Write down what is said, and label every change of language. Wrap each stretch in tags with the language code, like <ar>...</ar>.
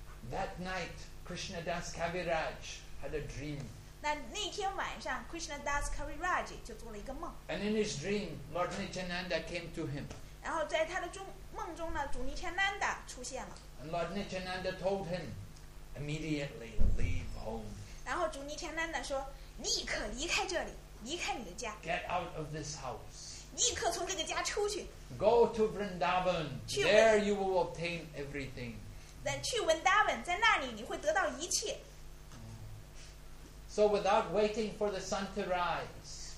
<en>That night, Krishna Das Kaviraj had a dream.</en> <zh>那天晚上 ，Krishna Das Kaviraj 就做了一个梦。</zh> <en>And in his dream, Lord Nityananda came to him.</en> <zh>然后在他的梦中呢，主尼天南达出现了。</zh> <en>And Lord Nityananda told him, immediately leave home.</en> <zh>然后主尼天南达说：“立刻离开这里，离开你的家。</zh> <en>”Get out of this house.</en> <zh>立刻从这个家出去。</zh> <en>Go to Vrindavan. There you will obtain everything.</en> <zh>去文达文，在那里你会得到一切。</zh> <en>So without waiting for the sun to rise.</en>